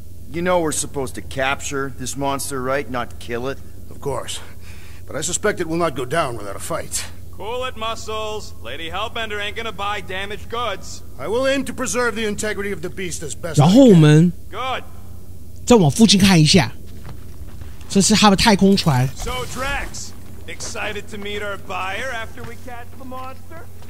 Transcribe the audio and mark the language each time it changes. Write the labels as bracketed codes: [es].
[en] You know we're supposed to capture this monster, right? Not kill it. Of course. But I suspect it will not go down without a fight. Cool it, Muscles. Lady Hellbender ain't gonna buy damaged goods. I will aim to preserve the integrity of the beast as best. [zh] 然后我们 [en] good. [zh] 再往附近看一下，这是他的太空船。 [en] So Drax, excited to meet our buyer after we catch the monster?